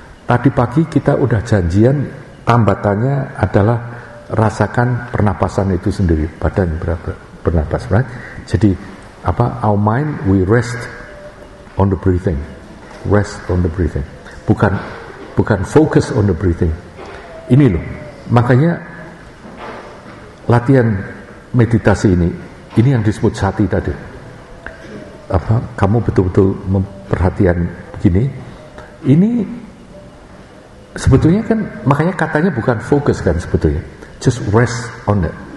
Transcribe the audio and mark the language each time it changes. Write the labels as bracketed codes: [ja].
[id] Tadi pagi kita udah janjian, tambatannya adalah rasakan pernapasan itu sendiri, badan bernapas, right? Jadi apa, [en] our mind, we rest on the breathing, rest on the breathing, [id] bukan [en] focus on the breathing. [id] Ini loh, makanya latihan meditasi ini yang disebut sati tadi. Apa, kamu betul-betul memperhatikan begini, ini sebetulnya kan, makanya katanya bukan fokus kan sebetulnya, [en] just rest on it.